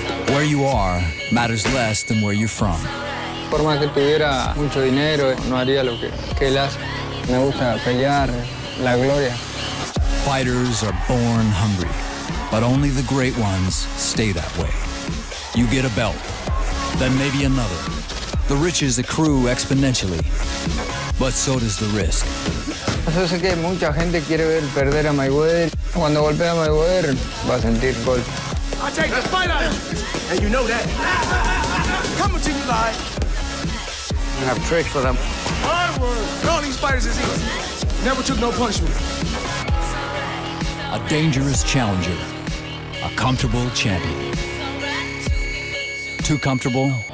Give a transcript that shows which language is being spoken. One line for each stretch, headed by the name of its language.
English: Where you are matters less than where you're from.
Spanish: Por más que tuviera mucho dinero, no haría lo que él hace. Me gusta pelear la gloria.
English: Fighters are born hungry, but only the great ones stay that way. You get a belt. then maybe another. The riches accrue exponentially, but so does the risk.
Spanish: Yo sé que mucha gente quiere ver perder a Mayweather. Cuando golpea a Mayweather, va a sentir golpe.
English: I take the fight out of you, and you know that. Coming to you live. I have tricks for them. Hard work. Throwing these fighters is easy. Never took no punishment. A dangerous challenger. A comfortable champion. Too comfortable?